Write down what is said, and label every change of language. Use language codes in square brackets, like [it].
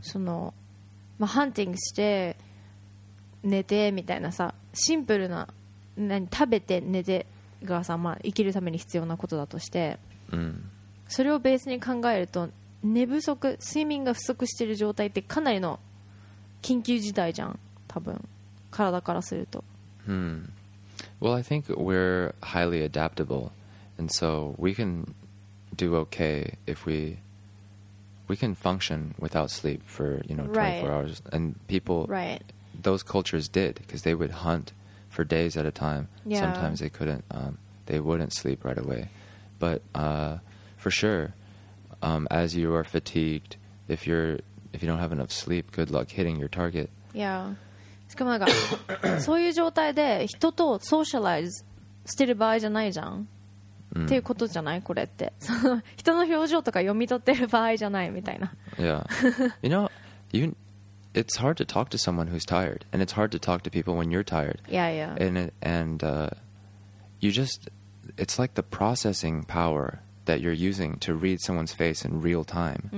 [ja] その、まあ、ハンティングして寝てみたいなさ、シンプルな何、食べて寝てがさ、まあ、生きるために必要なことだとして、うん、それをベースに考えると、寝不足、睡眠が不足してる状態ってかなりの緊急事態じゃん、多分体からすると。うん、 [en] Well, I think we're highly adaptable, and so we can do okay if we can function without sleep for, you know, 24 right. hours. And people, right. those cultures did, because they would hunt for days at a time. Yeah. Sometimes they couldn't, they wouldn't sleep right away. But for sure, as you are fatigued, if you don't have enough sleep, good luck hitting your target. Yeah. [ja] しかもなんかそういう状態で人とソーシャライズしてる場合じゃないじゃん、うん、っていうことじゃないこれって、その人の表情とか読み取ってる場合じゃないみたいな。 [en] Yeah. You know, it's hard to talk to someone who's tired, and it's hard to talk to people when you're tired. Yeah, yeah. It's like the processing power that you're using to read someone's face in real time、